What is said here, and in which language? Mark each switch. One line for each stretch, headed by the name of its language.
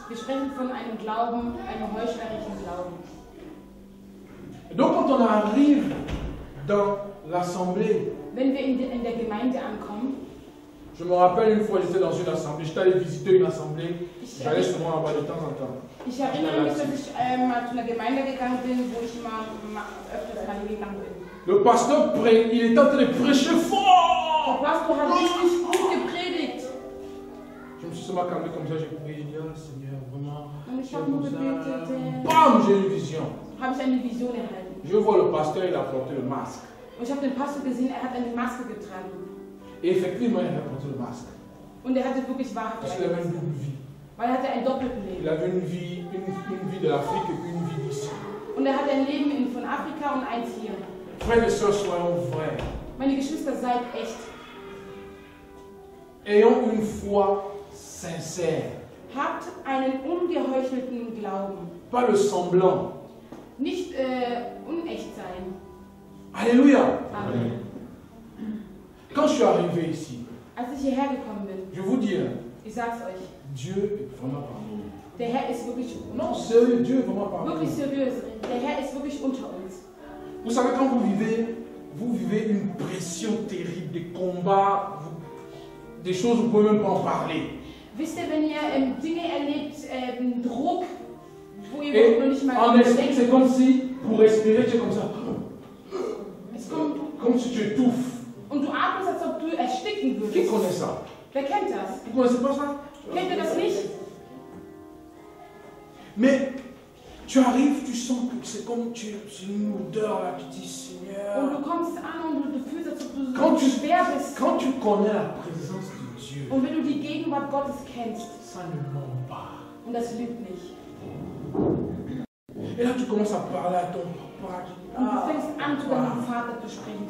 German: Wir sprechen von einem Glauben, einem heuchlerischen Glauben.
French: Et donc quand on arrive dans l'assemblée,
German: wenn wir in der Gemeinde ankommen,
French: je me rappelle une fois j'étais dans une assemblée, j'étais allé visiter une assemblée, j'allais souvent là-bas de temps en temps.
German: Ich erinnere mich, dass ich mal zu einer Gemeinde gegangen bin, wo ich immer öfters mal hingegangen bin.
French: Le pasteur il est en train de prêcher fort. Le pasteur a vraiment beaucoup de prédit. Je me suis seulement calmé comme ça, j'ai prié, j'ai dit, oh, Seigneur, vraiment. Bam, j'ai une vision.
German: Habe ich eine Vision erhalten.
French: Je vois le pasteur, il a porté le masque.
German: Und ich habe den Pastor gesehen, er hat eine Maske getragen.
French: Et effectivement, il a porté le masque.
German: Und er hatte wirklich wahrhaft.
French: Parce qu'il avait une double vie.
German: Weil er hatte ein Doppelleben.
French: Il avait une vie de l'Afrique et une vie d'ici.
German: Und er hatte ein Leben von Afrika und eins hier.
French: Frères et sœurs, soyons vrais.
German: Meine Geschwister, seid echt.
French: Ayons une foi sincère.
German: Habt einen ungeheuchelten Glauben.
French: Pas le semblant.
German: Nicht unecht sein.
French: Alléluia.
German: Amen.
French: Quand je suis arrivé ici,
German: als ich hierher gekommen bin,
French: je vous dis,
German: ich sag's euch,
French: Dieu est vraiment parmi nous.
German: Der Herr ist wirklich
French: non, sérieux, Dieu est vraiment parmi nous. Wirklich sérieux.
German: Der Herr ist wirklich unter uns.
French: Vous savez, quand vous vivez une pression terrible, des combats, des choses, vous ne pouvez même pas en parler.
German: Wisst ihr, wenn ihr Dinge erlebt, Druck, wo ihr noch nicht mal
French: en esprit, c'est comme si, pour respirer, tu es comme ça. Comme si tu étouffes.
German: Und du atmest, als ob du ersticken würdest.
French: Qui connaît ça?
German: Wer kennt das?
French: Vous connaissez pas ça?
German: Kennt ihr das nicht?
French: Mais tu arrives, tu sens que c'est comme tu es une odeur là, tu dis Seigneur. Quand tu connais la présence de Dieu.
German: Und wenn du die Gegenwart Gottes kennst.
French: Ça ne ment pas.
German: Und das lügt nicht.
French: Et là tu commences à parler à ton papa.
German: Und du fängst an zu deinem Vater zu sprechen.